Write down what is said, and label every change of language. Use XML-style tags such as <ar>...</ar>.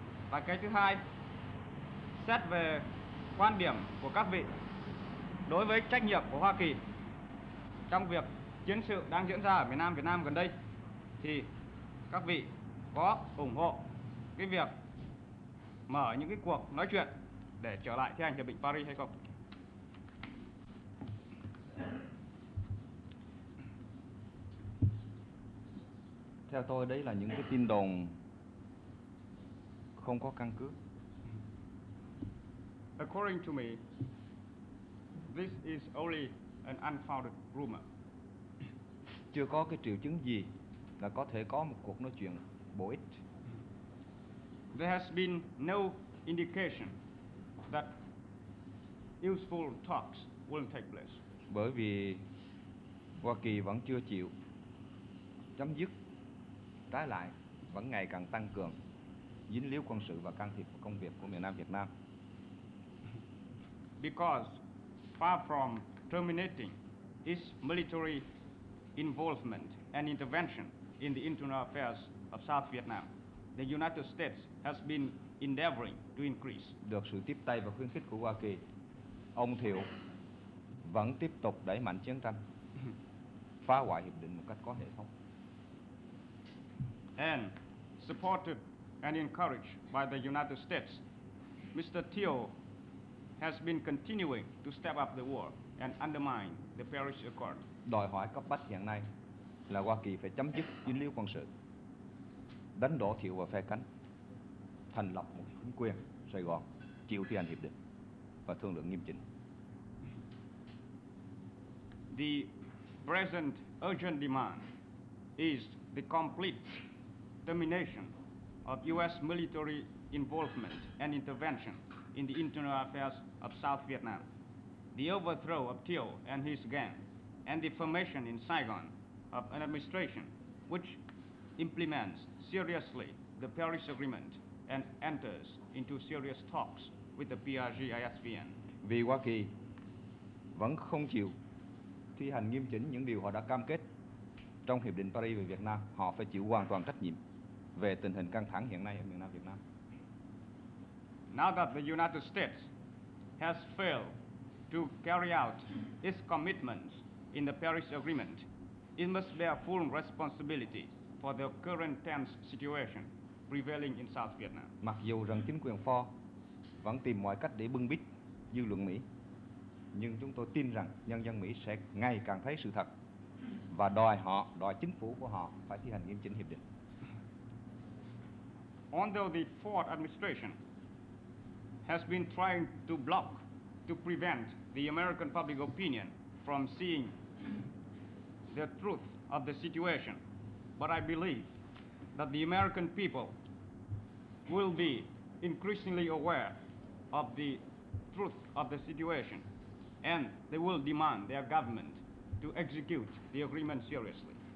<vi>Và cái thứ hai, xét về quan điểm của các vị đối với trách nhiệm của Hoa Kỳ trong việc chiến sự đang diễn ra ở miền Nam Việt Nam gần đây, thì các vị có ủng hộ cái việc mở những cái cuộc nói chuyện để trở lại thi hành hiệp định Paris hay không? Theo tôi đấy là những cái tin đồn không có căn cứ.</vi> <en>According to me, this is only an unfounded rumor.</en> <vi>Chưa có cái triệu chứng gì là có thể có một cuộc nói chuyện bổ ích.</vi> <en>There has been no indication that useful talks will take place.</en> <vi>Bởi vì Hoa Kỳ vẫn chưa chịu chấm dứt, trái lại vẫn ngày càng tăng cường dính líu quân sự và can thiệp vào công việc của miền Nam Việt Nam.</vi> <en>Because far from terminating its military involvement and intervention in the internal affairs of South Vietnam, the United States has been endeavoring to increase.</en> <vi>Được sự tiếp tay và khuyến khích của Hoa Kỳ, ông Thiệu vẫn tiếp tục đẩy mạnh chiến tranh, phá hoại hiệp định một cách có hệ thống.</vi> <en>And supported and encouraged by the United States, Mr. Thiệu has been continuing to step up the war and undermine the Paris Accord.</en> <vi>Đòi hỏi cấp bách hiện nay là Hoa Kỳ phải chấm dứt dính líu quân sự, đánh đổ Thiệu và phe cánh, thành lập một chính quyền Sài Gòn, chịu thi hành hiệp định và thương lượng nghiêm chỉnh.</vi> <en>The present urgent demand is the complete termination of U.S. military involvement and intervention in the internal affairs of South Vietnam, the overthrow of Thieu and his gang, and the formation in Saigon of an administration which implements seriously the Paris Agreement and enters into serious talks with the PRG-ISVN.</en> <vi>Vì Hoa Kỳ vẫn không chịu thi hành nghiêm chỉnh những điều họ đã cam kết trong Hiệp định Paris về Việt Nam, họ phải chịu hoàn toàn trách nhiệm về tình hình căng thẳng hiện nay ở miền Nam Việt Nam.</vi> <en>Now that the United States has failed to carry out its commitments in the Paris Agreement, it must bear full responsibility for the current tense situation prevailing in South Vietnam.</en> <vi>Mặc dù rằng chính quyền Ford vẫn tìm mọi cách để bưng bít dư luận Mỹ, nhưng chúng tôi tin rằng nhân dân Mỹ sẽ ngày càng thấy sự thật và đòi chính phủ của họ phải thi hành nghiêm chỉnh hiệp định.</vi> <en>Although the Ford administration has been trying to block, to prevent the American public opinion from seeing the truth of the situation, but I believe that the American people will be increasingly aware of the truth of the situation, and they will demand their government to execute the agreement seriously.</en>